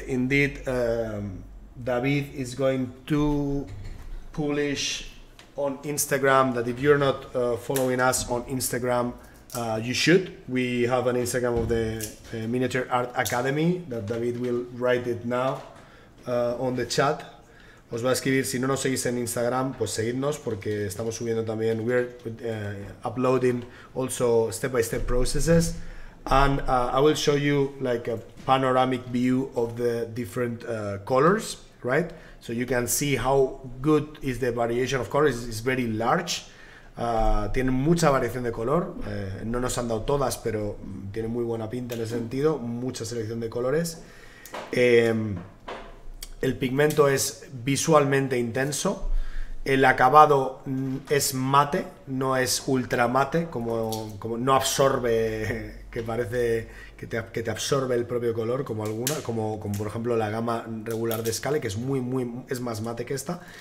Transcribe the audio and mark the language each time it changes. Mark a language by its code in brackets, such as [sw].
[en] Indeed, David is going to publish on Instagram that if you're not following us on Instagram, you should. We have an Instagram of the Miniature Art Academy that David will write it now on the chat. [es] Os va a escribir, si no nos seguís en Instagram, pues seguidnos porque estamos subiendo también. [en] We're uploading also step-by-step processes. And I will show you like a panoramic view of the different colors, right? So you can see how good is the variation of colors. It's very large. [es] Tiene mucha variación de color. No nos han dado todas, pero tiene muy buena pinta en ese sentido. Mucha selección de colores. El pigmento es visualmente intenso. El acabado es mate, no es ultra mate, como no absorbe, que parece que te absorbe el propio color, como alguna, como por ejemplo la gama regular de Scale, que es muy es más mate que esta.